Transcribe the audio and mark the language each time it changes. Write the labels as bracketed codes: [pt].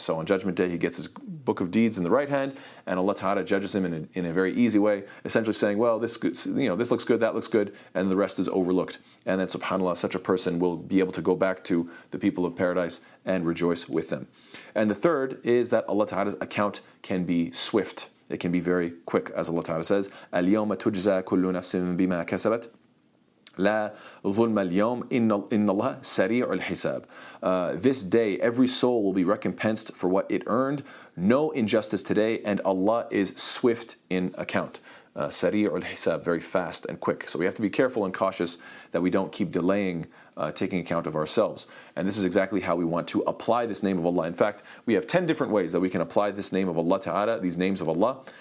[en] So on judgment day, he gets his book of deeds in the right hand, and Allah Ta'ala judges him in a very easy way, essentially saying, well, this, you know, this looks good, that looks good, and the rest is overlooked. And then subhanAllah, such a person will be able to go back to the people of paradise and rejoice with them. And the third is that Allah Ta'ala's account can be swift. It can be very quick, as Allah Ta'ala says, [ar] أَلْيَوْمَ تُجْزَى كُلُّ نَفْسٍ بِمَا كَسَبَتْ لا ظلم اليوم إن الله سريع الحساب. [en] This day, every soul will be recompensed for what it earned. No injustice today, and Allah is swift in account. [ar] سريع الحساب, [en] very fast and quick. So we have to be careful and cautious that we don't keep delaying taking account of ourselves. And this is exactly how we want to apply this name of Allah. In fact, we have 10 different ways that we can apply this name of Allah Ta'ala, these names of Allah.